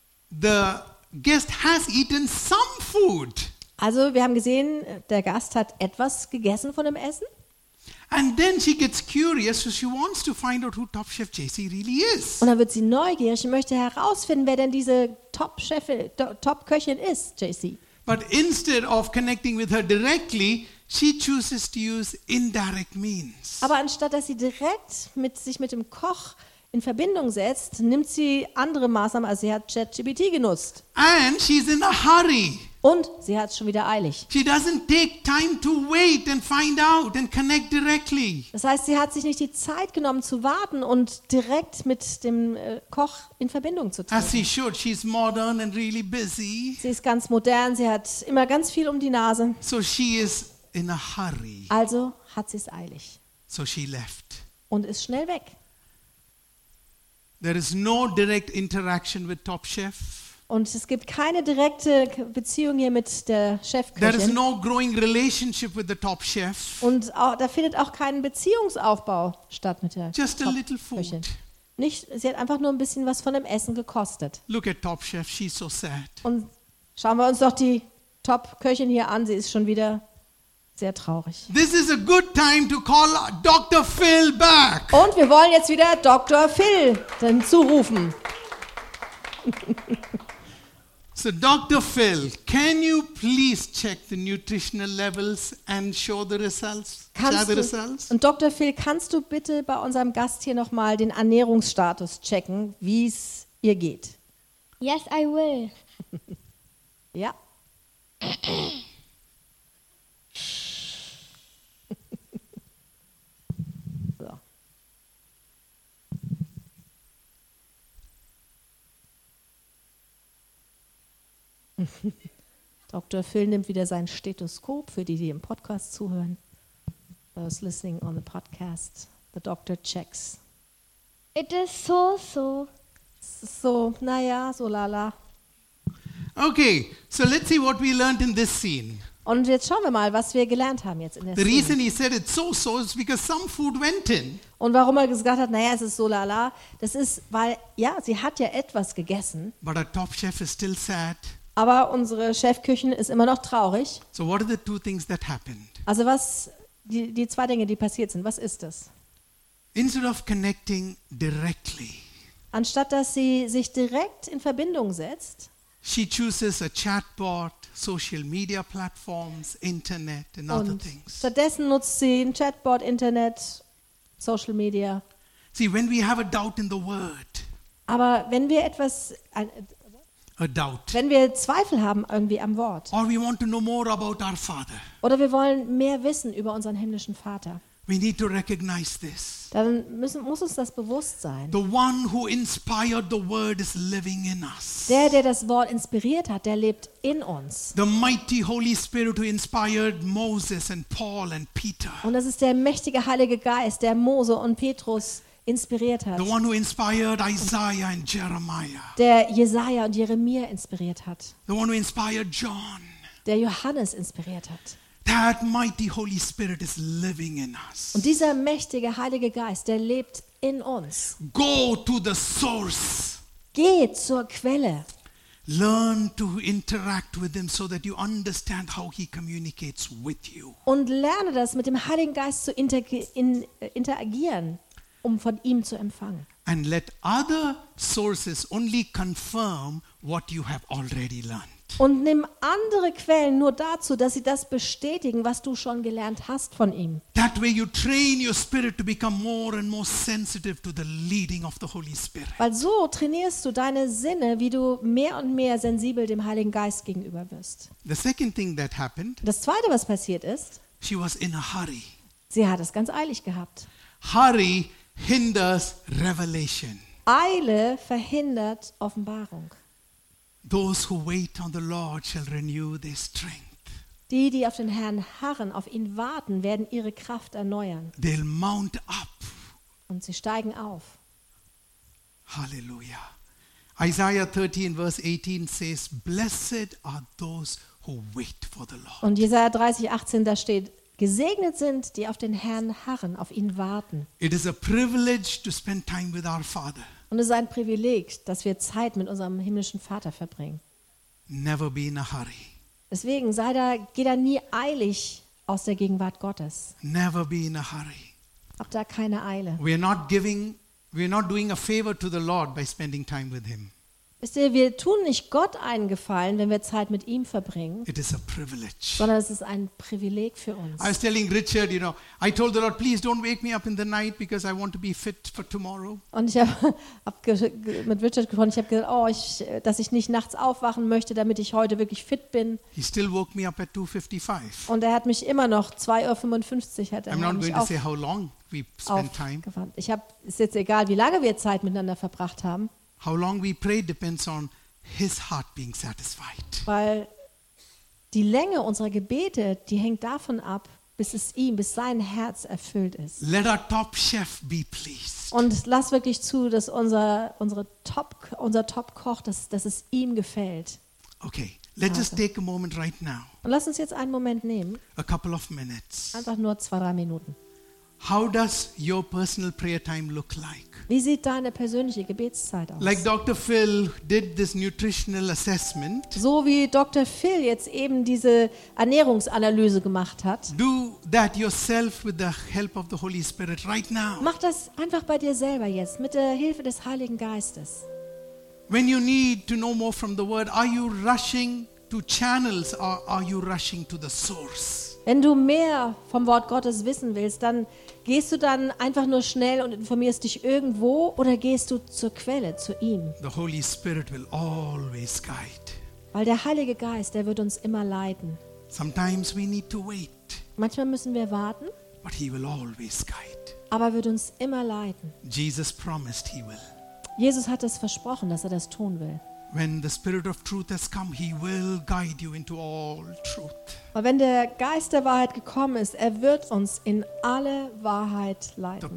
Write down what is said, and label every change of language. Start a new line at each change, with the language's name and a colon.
English: The guest has eaten some food.
German: Also wir haben gesehen, der Gast hat etwas gegessen von dem Essen.
English: And then she gets curious, so she wants to find out who Top Chef JC really is.
German: Und dann wird sie neugierig und möchte herausfinden, wer denn diese Top-Köchin ist, JC.
English: But instead of connecting with her directly, she chooses to use indirect means.
German: Aber anstatt dass sie direkt mit sich mit dem Koch in Verbindung setzt, nimmt sie andere Maßnahmen, also sie hat ChatGPT genutzt.
English: And she's in a hurry.
German: Und sie hat es schon wieder eilig.
English: She doesn't take time to wait and find out and connect directly.
German: Das heißt, sie hat sich nicht die Zeit genommen zu warten und direkt mit dem Koch in Verbindung zu treten.
English: As she should, she's modern and really busy.
German: Sie ist ganz modern, sie hat immer ganz viel um die Nase.
English: So she is in a hurry.
German: Also hat sie es eilig.
English: So she left.
German: Und ist schnell weg.
English: There is no direct interaction with Top Chef.
German: Und es gibt keine direkte Beziehung hier mit der Chefköchin.
English: There is no growing relationship with the top chef.
German: Und auch, da findet auch keinen Beziehungsaufbau statt mit der
English: Just
German: Top
English: a little
German: Köchin.
English: Food.
German: Nicht, sie hat einfach nur ein bisschen was von dem Essen gekostet.
English: Look at Top Chef, she's so sad.
German: Und schauen wir uns doch die Top-Köchin hier an, sie ist schon wieder sehr traurig.
English: This is a good time to call Dr. Phil back.
German: Und wir wollen jetzt wieder Dr. Phil dann zurufen.
English: So Dr. Phil, can you please check the nutritional levels and show the results?
German: Und Dr. Phil, kannst du bitte bei unserem Gast hier nochmal den Ernährungsstatus checken, wie es ihr geht?
English: Yes, I will.
German: Ja. Dr. Phil nimmt wieder sein Stethoskop für die, die im Podcast zuhören.
English: Those listening on the podcast, the doctor checks. It is so, so.
German: So, naja, so lala.
English: Okay, so let's see what we learned in this scene.
German: Und jetzt schauen wir mal, was wir gelernt haben jetzt in der
English: the
German: Szene.
English: The reason he said it's so, so is because some food went in.
German: Und warum er gesagt hat, naja, es ist so lala, das ist, weil, ja, sie hat ja etwas gegessen.
English: But our top chef is still sad.
German: Aber unsere Chefküchen ist immer noch traurig.
English: So what are the two things that happened?
German: Also was die zwei Dinge, die passiert sind, was ist das?
English: Instead of connecting directly.
German: Anstatt dass sie sich direkt in Verbindung setzt,
English: she chooses a chatbot, social media platforms, internet and other things.
German: Stattdessen nutzt sie ein Chatbot, Internet, Social Media.
English: See, when we have a doubt in the word.
German: Aber wenn wir etwas
English: a doubt.
German: Wenn wir Zweifel haben irgendwie am Wort.
English: Or we want to know more about our Father.
German: Oder wir wollen mehr wissen über unseren himmlischen Vater.
English: We need to recognize this.
German: Dann muss uns das bewusst sein.
English: The one who inspired the word is living in us.
German: Der das Wort inspiriert hat, der lebt in uns.
English: The mighty Holy Spirit who inspired Moses and Paul and Peter.
German: Und das ist der mächtige Heilige Geist, der Mose und Petrus inspiriert hat.
English: The one who inspired Isaiah and Jeremiah.
German: Der Jesaja und Jeremia inspiriert hat.
English: The one who inspired John.
German: Der Johannes inspiriert hat.
English: That mighty Holy Spirit is living in us.
German: Und dieser mächtige Heilige Geist, der lebt in uns.
English: Go to the source.
German: Geh zur Quelle.
English: Learn to interact with him so that you understand how he communicates with you.
German: Und lerne das, mit dem Heiligen Geist zu interagieren, um von ihm zu empfangen.
English: And let other sources only confirm what you have already learned.
German: Und nimm andere Quellen nur dazu, dass sie das bestätigen, was du schon gelernt hast von ihm.
English: That way you train your spirit to become more and more sensitive to the leading of the Holy Spirit.
German: Weil so trainierst du deine Sinne, wie du mehr und mehr sensibel dem Heiligen Geist gegenüber wirst.
English: The second thing that happened.
German: Das zweite, was passiert ist.
English: She was in a hurry.
German: Sie hat es ganz eilig gehabt.
English: Hurry hinders revelation.
German: Eile verhindert Offenbarung.
English: Those who wait on the Lord shall renew their strength.
German: Die auf den Herrn harren, auf ihn warten, werden ihre Kraft erneuern.
English: They'll mount up.
German: Und sie steigen auf.
English: Hallelujah. Isaiah 13 verse 18 says, blessed are those who wait for the Lord.
German: Und Jesaja 30, 18, da steht, gesegnet sind, die auf den Herrn harren, auf ihn warten.
English: It is a privilege to spend time with our Father.
German: Und es ist ein Privileg, dass wir Zeit mit unserem himmlischen Vater verbringen.
English: Never be in a hurry.
German: Deswegen geh da nie eilig aus der Gegenwart Gottes.
English: Never be in a hurry.
German: Hab da keine Eile.
English: We are not doing a favor to the Lord by spending time with him.
German: Wisst ihr, wir tun nicht Gott einen Gefallen, wenn wir Zeit mit ihm verbringen.
English: It is a privilege.
German: Sondern es ist ein Privileg für uns.
English: I was telling Richard, you know, I told the Lord, please don't wake me up in the night because I want to be fit for tomorrow.
German: Und ich habe mit Richard gesprochen, ich habe gesagt, dass ich nicht nachts aufwachen möchte, damit ich heute wirklich fit bin.
English: He still woke me up at 2:55.
German: Und er hat mich immer noch 2:55 hat er
English: I'm not going
German: mich
English: to say how long we spend time.
German: Ich habe es jetzt egal, wie lange wir Zeit miteinander verbracht haben.
English: How long we pray depends on his heart being satisfied.
German: Weil die Länge unserer Gebete, die hängt davon ab, bis sein Herz erfüllt ist.
English: Let our top chef be pleased.
German: Und lass wirklich zu, dass unser Top-Koch, dass es ihm gefällt.
English: Okay, let's just take a moment right now.
German: Und lass uns jetzt einen Moment nehmen.
English: A couple of minutes.
German: Einfach nur 2-3 Minuten.
English: How does your personal prayer time look like?
German: Wie sieht deine persönliche Gebetszeit aus?
English: Like Dr. Phil did this nutritional assessment.
German: So wie Dr. Phil jetzt eben diese Ernährungsanalyse gemacht hat.
English: Do that yourself with the help of the Holy Spirit right now.
German: Mach das einfach bei dir selber jetzt mit der Hilfe des Heiligen Geistes.
English: When you need to know more from the word, are you rushing to channels or are you rushing to the source?
German: Wenn du mehr vom Wort Gottes wissen willst, dann gehst du dann einfach nur schnell und informierst dich irgendwo oder gehst du zur Quelle, zu ihm?
English: The Holy Spirit will always guide.
German: Weil der Heilige Geist, der wird uns immer leiten.
English: Sometimes we need to wait.
German: Manchmal müssen wir warten.
English: But he will always guide.
German: Aber er wird uns immer leiten.
English: Jesus promised he will.
German: Jesus hat es versprochen, dass er das tun will.
English: When the Spirit of Truth has come, he will guide you into all truth.
German: Aber wenn der Geist der Wahrheit gekommen ist, er wird uns in alle Wahrheit leiten.